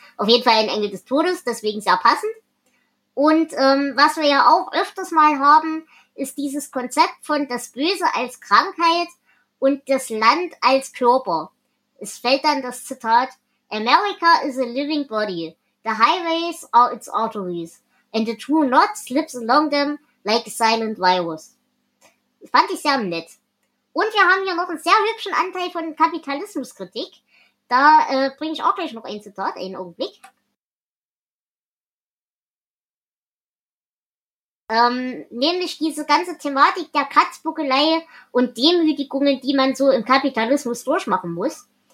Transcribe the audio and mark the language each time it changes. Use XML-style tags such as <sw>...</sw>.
<de>Auf jeden Fall ein Engel des Todes, deswegen sehr passend. Und was wir ja auch öfters mal haben, ist dieses Konzept von das Böse als Krankheit und das Land als Körper. Es fällt dann das Zitat,</de> <en>America is a living body. The highways are its arteries. And the true knot slips along them like a silent virus.</en> <de>Das fand ich sehr nett. Und wir haben hier noch einen sehr hübschen Anteil von Kapitalismuskritik. Da bringe ich auch gleich noch ein Zitat, einen Augenblick. Nämlich diese ganze Thematik der Katzbuckelei und Demütigungen, die man so im Kapitalismus durchmachen muss.</de>